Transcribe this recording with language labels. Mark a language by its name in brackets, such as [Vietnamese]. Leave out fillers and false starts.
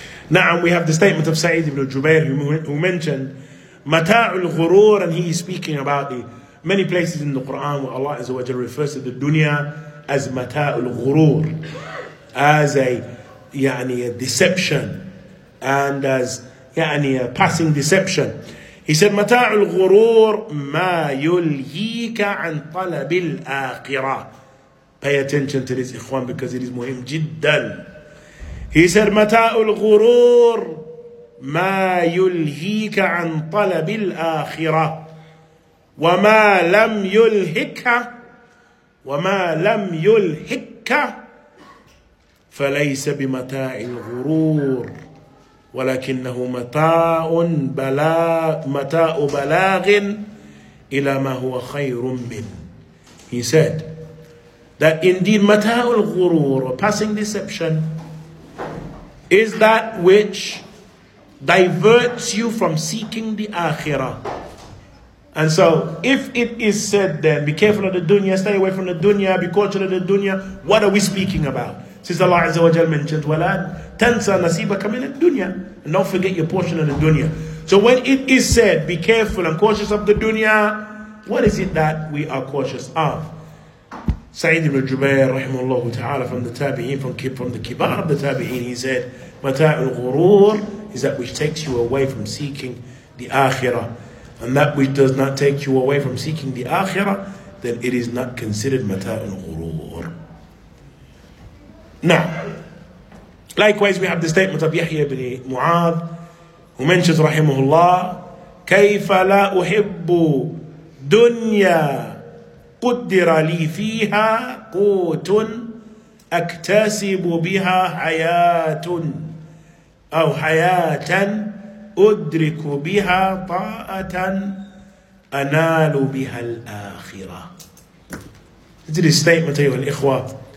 [English] Now we have the statement of Sa'id ibn Jubayr, who mentioned mata'ul ghurur, and he is speaking about the many places in the Quran where Allah Azza wa Jalla refers to the dunya as mata'ul ghurur, as a deception, and as passing deception. He said, [Arabic] "Mata'ul ghurur ma yulhika an talabil akhirah." [English] Pay attention to this, إخوان, because it is [Arabic] مهم جدا. [English] He said, [Arabic] متاع الغرور ما يلهيك عن طلب الآخرة وما لم يلهك وما لم يلهك فليس بمتاع الغرور ولكنه متاع متاع بلاغ إلى ما هو خير من. [English] He said that indeed متاع الغرور, passing deception, is that which diverts you from seeking the akhirah. And so if it is said then, be careful of the dunya, stay away from the dunya, be cautious of the dunya, what are we speaking about? Since Allah Azza wa Jalla mentioned, [Arabic] wala tansa nasibaka min ad-dunya, [English] and don't forget your portion of the dunya. So when it is said, be careful and cautious of the dunya, what is it that we are cautious of? Sa'id ibn Jubayr rahimahullahu ta'ala, from the tabi'in, from the kibar of the tabi'in, he said, mata'u al-ghurur is that which takes you away from seeking the akhirah. And that which does not take you away from seeking the akhirah, then it is not considered mata'u al-ghurur. Now, likewise we have the statement of Yahya ibn Mu'adh, who mentions, [Arabic] rahimahullah, كَيْفَ لَا أُحِبُّ دُنْيَا قُدِّرَ لِي فِيهَا قُوتٌ أَكْتَسِبُ بِهَا حَيَاةٌ أَوْ حَيَاةً أُدْرِكُ بِهَا طَاءَةً أَنَالُ بِهَا الْآخِرَةِ. [English] This is a statement, [Arabic] أيها الإخوة.